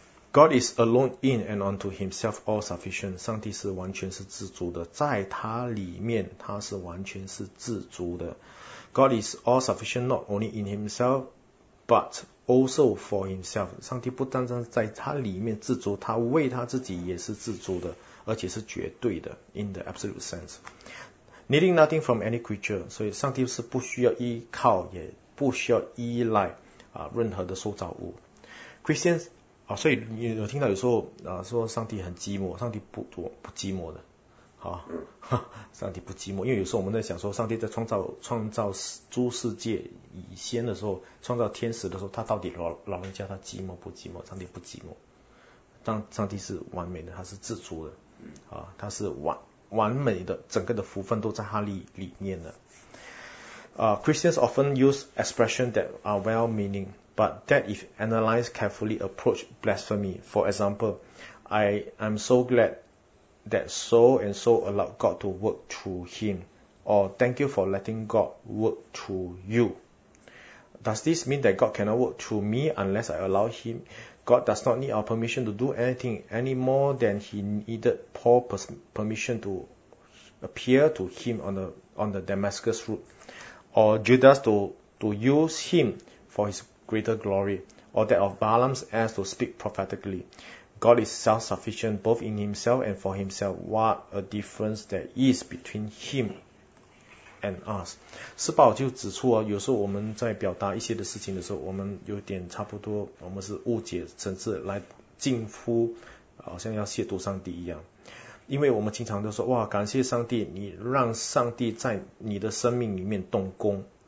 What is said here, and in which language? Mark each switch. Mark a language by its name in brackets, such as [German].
[English] God is alone in and unto himself all sufficient. [Chinese] 上帝是完全是自足的，在他里面他是完全是自足的。 [English] God is all sufficient not only in himself, but also for himself. [Chinese] 上帝不单单在他里面自足，他为他自己也是自足的，而且是绝对的 [English] in the absolute sense. Needing nothing from any creature. [Chinese] 所以上帝是不需要依靠，也不需要依赖任何的受造物。 Christians,所以你有听到有时候说上帝很寂寞，上帝不寂寞的，上帝不寂寞，因为有时候我们在想说，上帝在创造诸世界以先的时候，创造天使的时候，他到底老人家他寂寞不寂寞？上帝不寂寞，上帝是完美的，他是自足的，他是完美的，整个的福分都在他里面的。 [English] Christians often use expression that are well meaning. But that if analyzed carefully approach blasphemy. For example, I am so glad that so and so allowed God to work through him. Or thank you for letting God work through you. Does this mean that God cannot work through me unless I allow him? God does not need our permission to do anything any more than he needed Paul's permission to appear to him on the Damascus route. Or Judas to use him for his greater glory, or that of Balaam's ass to speak prophetically. God is self-sufficient both in himself and for himself. What a difference there is between him and us. [Chinese] 斯宝就指出有时候我们在表达一些的事情的时候，我们有点差不多，我们是误解，甚至来近乎好像要亵渎上帝一样。因为我们经常都说，哇，感谢上帝，你让上帝在你的生命里面动工。